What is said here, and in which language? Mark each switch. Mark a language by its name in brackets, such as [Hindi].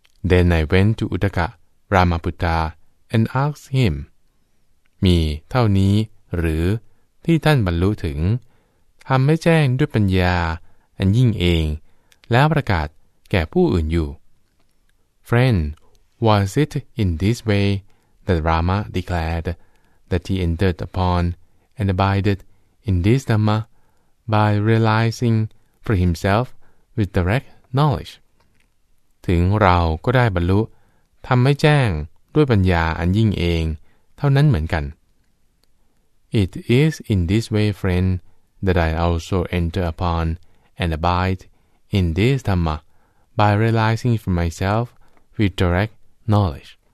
[English] Then I went to Uttaka Ramaputta and asked him [Thai] มีเท่านี้หรือที่ท่านบรรลุถึงทำให้แจ้งด้วยปัญญาอันยิ่งเองแล้วประกาศแก่ผู้อื่นอยู่ [English] Friend, was it in this way that Rama declared that he entered upon and abided in this Dhamma? By realizing for himself with direct knowledge. [Thai] ถึงเราก็ได้บรรลุทำให้แจ้งด้วยปัญญาอันยิ่งเองเท่านั้นเหมือนกัน [English] It is in this way, friend, that I also enter upon and abide in this Dhamma by realizing for myself with direct knowledge.